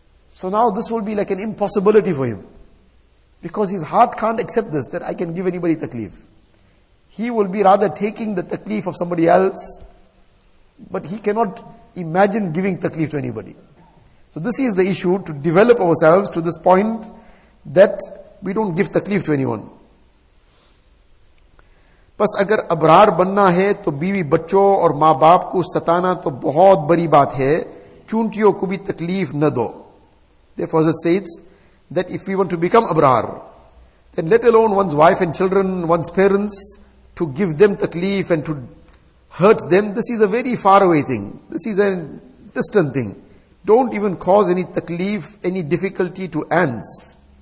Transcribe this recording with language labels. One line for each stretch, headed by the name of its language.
English: So now this will be like an impossibility for him. Because his heart can't accept this, that I can give anybody taklif. He will be rather taking the taklif of somebody else, but he cannot imagine giving taklif to anybody. So this is the issue, to develop ourselves to this point that we don't give taklif to anyone.
Urdu: بس اگر ابرار بننا ہے تو بیوی بچوں اور ماں باپ کو ستانا تو بہت بڑی بات ہے چونٹیوں کو بھی تکلیف نہ دو.
English: Therefore, it says that if we want to become abrar, then let alone one's wife and children, one's parents, to give them taklif and to hurt them, this is a very far away thing. This is a distant thing. Don't even cause any taklif, any difficulty to ants.